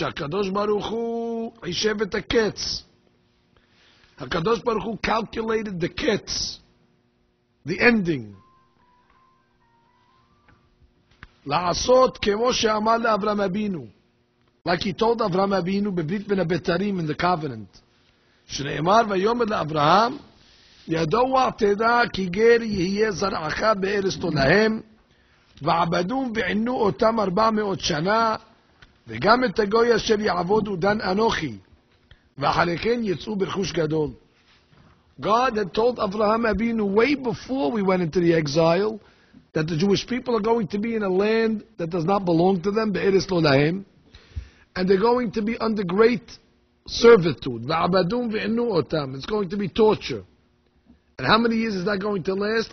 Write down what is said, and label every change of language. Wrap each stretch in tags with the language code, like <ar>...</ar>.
<en>HaKadosh Baruch Hu, Hishev et haketz. HaKadosh Baruch Hu calculated the ketz, the ending.</en> <he>La'asot kemo she'amal le'Avram Abinu.</he> <en>Like he told Avram Abinu, Bebit ben Abetarim in the covenant.</en> <he>שנאמר ויאמר לאברהם ידוע תדע כי גר יהיה זרעך בארץ תולהם ועבדו ועינו אותם 400 שנה וגם את הגוי אשר יעבוד דן אנוכי ואחרי כן יצאו ברכוש גדול.</he> <en>God had told Abraham Abinu way before we went into the exile that the Jewish people are going to be in a land that does not belong to them, בארץ תולהם, and they're going to be under great servitude. It's going to be torture. And how many years is that going to last?</en>